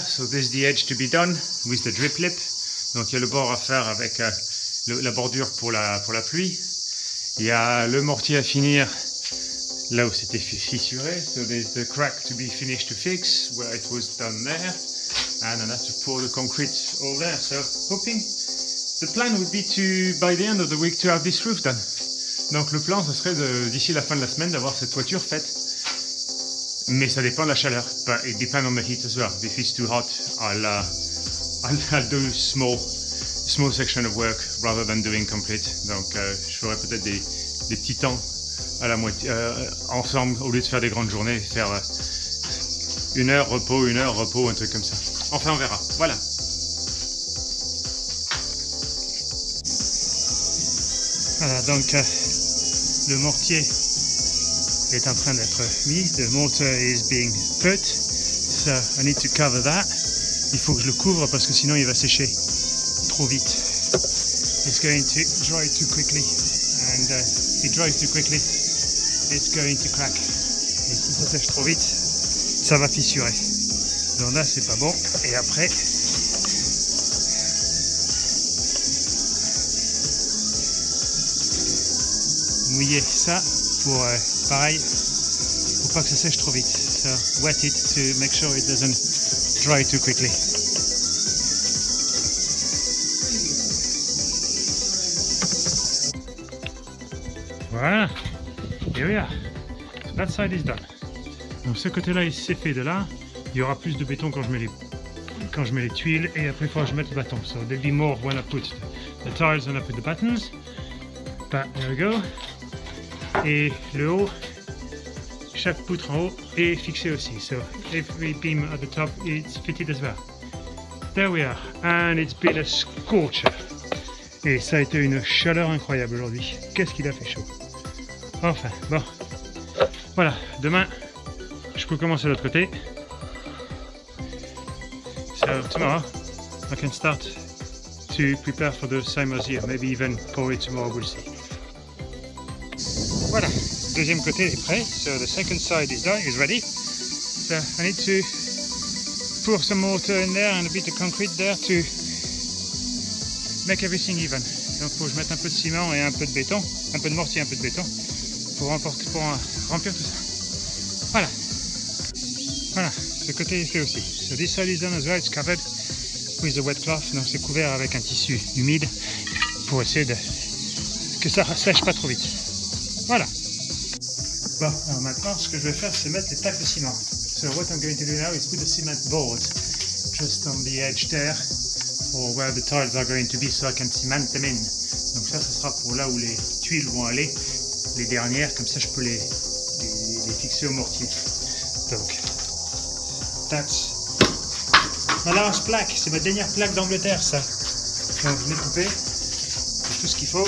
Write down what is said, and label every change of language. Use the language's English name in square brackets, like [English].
[English] So this is the edge to be done with the drip lip. [French] Donc il y a le bord à faire avec la bordure pour la pluie. Il y a le mortier à finir là où c'était fissuré. [English] So there's the crack to be finished to fix where it was done there. And I have to pour the concrete all there. So hoping the plan would be to by the end of the week to have this roof done. [French] Donc le plan, ce serait d'ici la fin de la semaine d'avoir cette toiture faite. Mais ça dépend de la chaleur. [English] But it depends on the heat as well. If it's too hot, I'll do small section of work rather than doing complete. [French] Donc je ferai peut-être des petits temps à la moitié ensemble au lieu de faire des grandes journées, faire une heure repos, un truc comme ça. Enfin, on verra. Voilà. Voilà, donc le mortier est en train d'être mis. [English] The mortar is being put. So I need to cover that. [French] Il faut que je le couvre parce que sinon il va sécher trop vite. [English] It's going to dry too quickly. And if it dries too quickly, it's going to crack. [French] Et si ça sèche trop vite, ça va fissurer. Donc là, c'est pas bon. Et après, mouiller ça pour pareil, pour pas que ça sèche trop vite. [English] So wet it to make sure it doesn't dry too quickly. Voilà, here we are. So that side is done. [French] Donc ce côté-là, il s'est fait de là. Il y aura plus de béton quand je mets les tuiles et après il faudra que je mette le bâton. [English] So there'll be more when I put the tiles and I put the buttons. But there we go. [French] Et le haut, chaque poutre en haut est fixée aussi. [English] So every beam at the top is fitted as well. There we are. And it's been a scorcher. [French] Et ça a été une chaleur incroyable aujourd'hui. Qu'est-ce qu'il a fait chaud. Enfin, bon. Voilà, demain, je peux commencer de l'autre côté. [English] So tomorrow, I can start to prepare for the same as here. Maybe even pour it tomorrow, we'll see. [French] Voilà, deuxième côté est prêt. [English] So the second side is done, is ready. So I need to pour some mortar in there and a bit of concrete there to make everything even. [French] Donc faut que je mette un peu de ciment et un peu de béton, un peu de mortier, un peu de béton pour remplir tout ça. Voilà. Voilà, ce côté est fait aussi. [English] So this side is done as well, it's covered with a wet cloth. [French] Donc c'est couvert avec un tissu humide pour essayer de que ça sèche pas trop vite. Voilà. Bon, alors maintenant ce que je vais faire c'est mettre les plaques de ciment. [English] So what I'm going to do now is put the cement boards just on the edge there for where the tiles are going to be so I can cement them in. [French] Donc ça sera pour là où les tuiles vont aller, les dernières, comme ça je peux les fixer au mortier. Donc that's ma large plaque, c'est ma dernière plaque d'Angleterre ça. Donc je l'ai coupé, c'est tout ce qu'il faut.